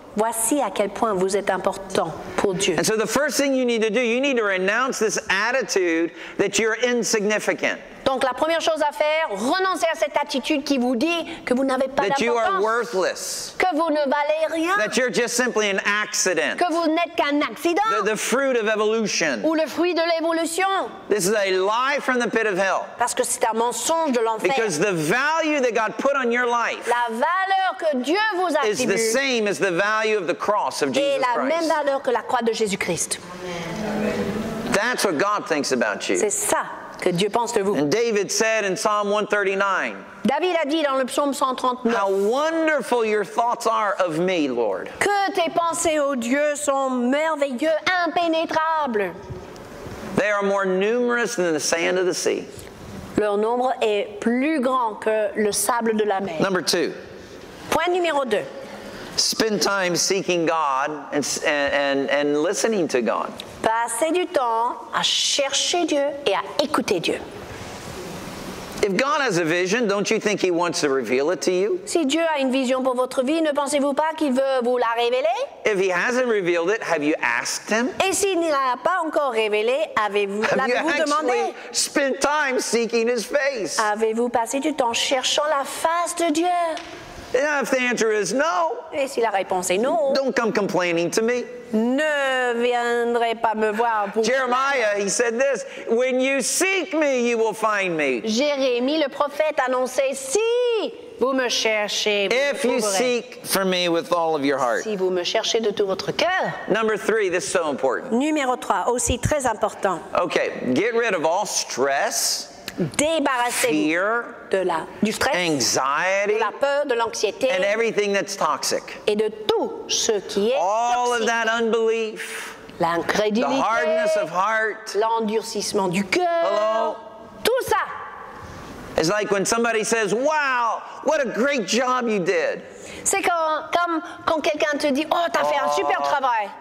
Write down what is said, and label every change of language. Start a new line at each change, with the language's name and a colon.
French: Voici à quel point vous êtes important pour Dieu.
English: And so the first thing you need to do, you need to renounce this attitude that you're insignificant.
French: Donc la première chose à faire, renoncer à cette attitude qui vous dit que vous n'avez pas d'importance.
English: That you are worthless.
French: Que vous ne valez rien.
English: That you're just simply an accident.
French: Que vous n'êtes qu'un accident.
English: The fruit of evolution.
French: Ou le fruit de l'évolution.
English: This is a lie from the pit of hell.
French: Parce que c'est un mensonge de l'enfer.
English: Because the value that God put on your life.
French: La valeur que Dieu vous attribue.
English: Is the same as the value of the cross of Jesus Christ.
French: Est la même valeur que la croix de Jésus-Christ.
English: That's what God thinks about you.
French: C'est ça. Que Dieu pense de vous.
English: And David said in Psalm 139.
French: David a dit dans le psaume 139.
English: How wonderful your thoughts are of me, Lord.
French: Que tes pensées, oh Dieu, sont merveilleuses, impénétrables.
English: They are more numerous than the sand of the sea.
French: Leur nombre est plus grand que le sable de la mer.
English: Number two.
French: Point numéro deux.
English: Spend time seeking God and listening to God.
French: Passez du temps à chercher Dieu et à écouter Dieu.
English: If God has a vision, don't you think he wants to reveal it to you?
French: Si Dieu a une vision pour votre vie, ne pensez-vous pas qu'il veut vous la révéler?
English: If he hasn't revealed it, have you asked him?
French: Et s'il ne l'a pas encore révélé, l'avez-vous demandé?
English: Have you actually spent time seeking his face?
French: Avez-vous passé du temps cherchant la face de Dieu?
English: Yeah, if the answer is no,
French: et si la réponse est non,
English: don't come complaining to me.
French: Ne viendrez pas me voir pour
English: Jeremiah, he said this, when you seek me, you will find me.
French: Jérémie, le prophète, annonçait, si vous me cherchez, vous
English: If you seek for me with all of your heart.
French: Si vous me cherchez de tout votre cœur.
English: Number three, this is so important.
French: Numéro 3, aussi très important.
English: Okay, get rid of all stress.
French: Débarrassez-vous du stress,
English: anxiety,
French: de la peur, de l'anxiété,
English: and everything that's toxic.
French: Et de tout ce qui est
English: All
French: toxique.
English: Of that unbelief,
French: l'incrédulité,
English: the hardness of heart,
French: l'endurcissement du cœur, tout ça.
English: It's like when somebody says, "Wow, what a great job you did."
French: C'est quand quelqu'un te dit, "Oh, t'as fait un super travail."